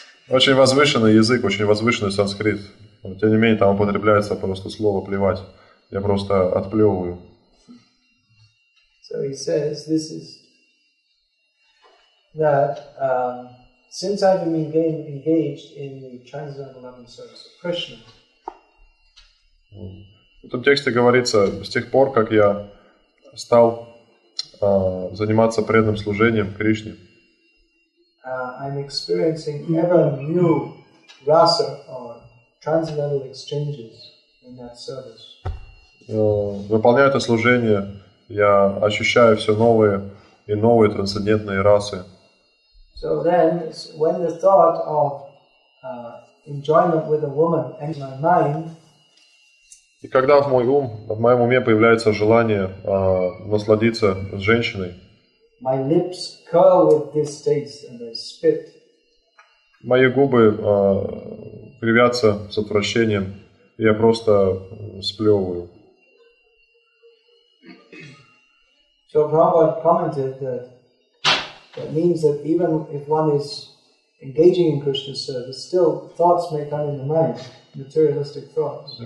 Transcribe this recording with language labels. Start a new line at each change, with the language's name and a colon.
Russian: Очень возвышенный язык, очень возвышенный санскрит. Тем не менее, там употребляется просто слово «плевать». Я просто отплевываю.
English: So he says, this is that since I've been engaged in the transcendental loving service of Krishna.
Russian: В этом тексте говорится, с тех пор, как я стал заниматься преданным служением Кришне,
English: I'm experiencing ever new rasa or transcendental exchanges in that service.
Russian: Выполняя это служение, я ощущаю все новые и новые трансцендентные расы.
English: So then, when the thought of enjoyment with a woman enters my mind,
Russian: и когда в мой ум, в моем уме появляется желание насладиться с женщиной,
English: my lips curl with distaste and I spit.
Russian: Мои губы кривятся с отвращением, и я просто сплевываю.
English: So Prabhupada commented that that means that even if one is engaging in Krishna service, still thoughts may come in the mind, materialistic thoughts.